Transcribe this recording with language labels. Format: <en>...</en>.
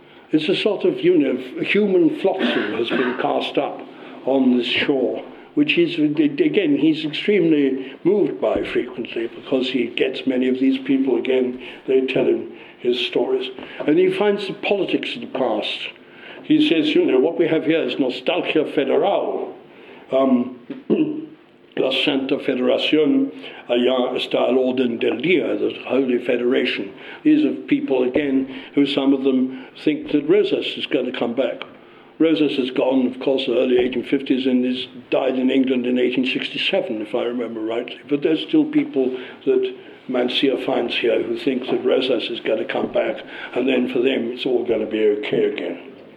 <en>It's a sort of, human flotsam has been cast up on this shore, which is, again, he's extremely moved by frequently because he gets many of these people, again, they tell him his stories. And he finds the politics of the past. He says, what we have here is nostalgia federal.</en> <es>La Santa Federación allá está el orden del día,</es> <en>the Holy Federation. These are people, again, who some of them think that Rosas is going to come back. Rosas has gone, of course, the early 1850s and is died in England in 1867, if I remember rightly. But there's still people that Mancia finds here who think that Rosas is going to come back, and then for them it's all going to be okay again.</en>